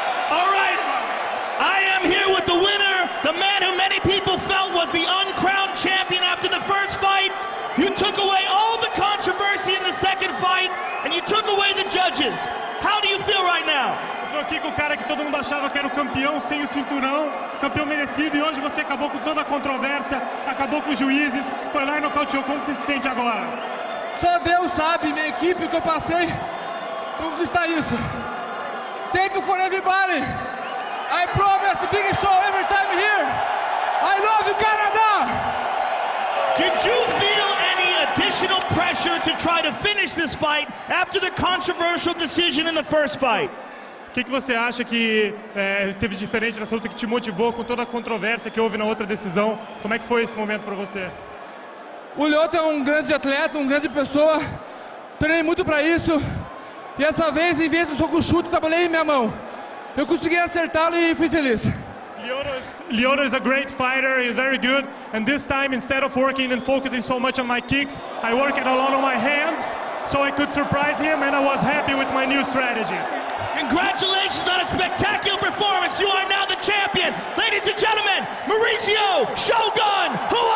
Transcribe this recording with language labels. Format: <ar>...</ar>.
<en>All right, I am here with the winner, the man who many people felt was the uncrowned champion after the first fight. You took away all the controversy in the second fight, and you took away the judges. How do you feel right now?</en> <pt>Estou aqui com o cara que todo mundo achava que era o campeão, sem o cinturão, campeão merecido, e hoje você acabou com toda a controvérsia, acabou com os juízes, foi lá e nocauteou. Como você se sente agora? Só Deus sabe, minha equipe, que eu passei, como que está isso?</pt> <en>Thank you for everybody! I promise the biggest show every time here! I love Canada! Did you feel any additional pressure to try to finish this fight after the controversial decision in the first fight?</en> <pt>O que você acha que teve diferente nessa luta, que te motivou com toda a controvérsia que houve na outra decisão? Como é que foi esse momento para você? O Lyoto é um grande atleta, uma grande pessoa. Treinei muito para isso. E essa vez, em vez do soco chute, trabalhei em minha mão. Eu consegui acertá-lo e fui feliz.</pt> <en>Lyoto is a great fighter, he's very good, and this time instead of working and focusing so much on my kicks, I worked a lot on my hands, so I could surprise him, and I was happy with my new strategy. Congratulations on a spectacular performance, you are now the champion! Ladies and gentlemen, Mauricio Shogun</en>